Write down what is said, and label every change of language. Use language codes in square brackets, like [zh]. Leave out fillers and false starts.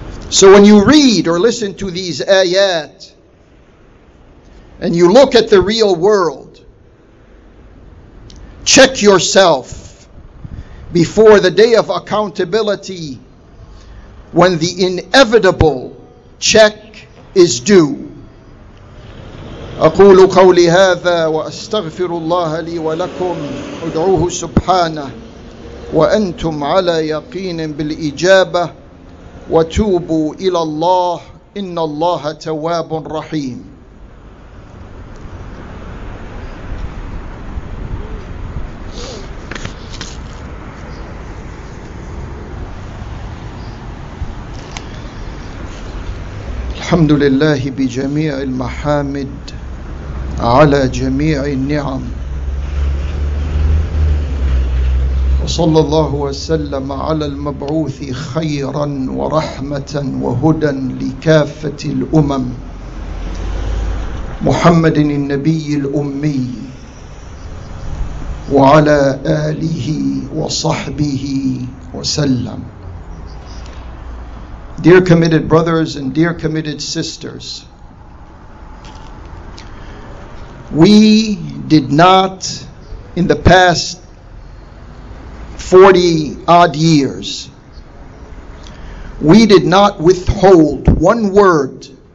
[en] So when you read or listen to these ayat, and you look at the real world, check yourself before the day of accountability when the inevitable check is due. [ar] أقول قولي هذا وأستغفر الله لي ولكم أدعوه سبحانه وأنتم على يقين بالإجابة وتوبوا إلى الله إن الله تواب رحيم. الحمد لله بجميع المحامد على جميع النعم، وصلى الله وسلم على المبعوث خيرا ورحمة وهدى لكافة الأمم محمد النبي الأمي وعلى آله وصحبه وسلم. [en] Dear committed brothers and dear committed sisters, we did not, in the past 40 odd years, we did not withhold one word,